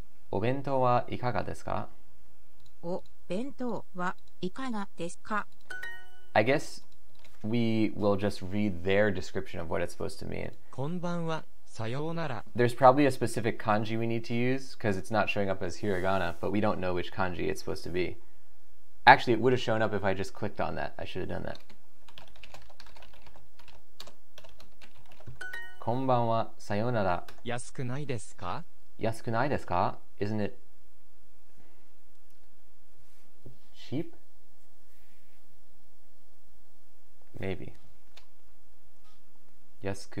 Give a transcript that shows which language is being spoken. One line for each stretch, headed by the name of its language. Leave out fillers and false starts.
Japanese: お弁当はいかがですか? お弁当はいかがですか?
English: I guess we will just read their description of what it's supposed to mean.
Japanese: こんばんは。
English: There's probably a specific kanji we need to use because it's not showing up as hiragana, but we don't know which kanji it's supposed to be. Actually, it would have shown up if I just clicked on that. I should have done that.
Japanese: こんばんは、さようなら。安くないですか? 安くないですか?
English: Isn't it cheap? Maybe.
Japanese: 安く。